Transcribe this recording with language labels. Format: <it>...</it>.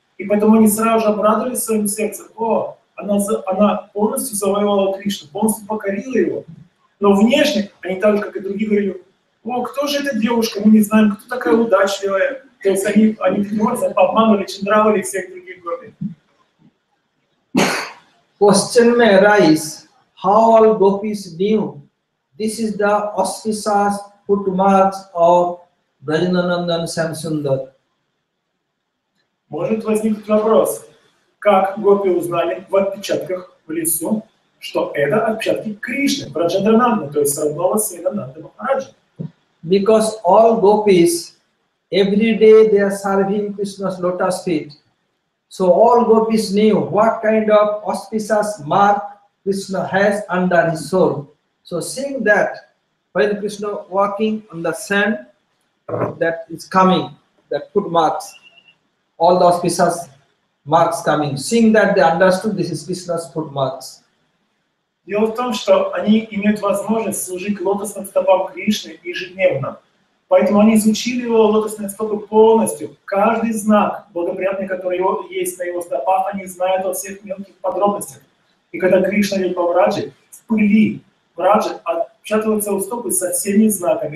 <ru>И поэтому они сразу же обрадовались своим сердцем. О, она полностью завоевала Кришну, полностью покорила его. Но внешне они так же, как и другие, говорили, о, кто же эта девушка, мы не знаем, кто такая удачливая. То есть они обманули, чандравали всех других гопи.</ru> <en>Question may arise, how all gopis knew this is the auspicious footmarks of Brajanandan Samsundar?</en> <ru>Может возникнуть вопрос, как гопи узнали в отпечатках в лесу, что это отпечатки Кришны, Брадженданандана, то есть родного сына Нанды Махараджа?</ru> <en>Because all gopis, every day they are serving Krishna's lotus feet. So all gopis knew what kind of auspicious mark Krishna has under his soul. So seeing that, when Krishna walking on the sand, that is coming, that footmarks, all the auspicious marks coming. Seeing that, they understood this is Krishna's footmarks.</en> <ru>Дело в том, что они имеют возможность служить лотосным стопам Кришны ежедневно. Поэтому они изучили его лотосные стопы полностью. Каждый знак благоприятный, который есть на его стопах, они знают о всех мелких подробностях. И когда Кришна идет по Врадже, в пыли Врадже отпечатываются его стопы со всеми знаками.</ru>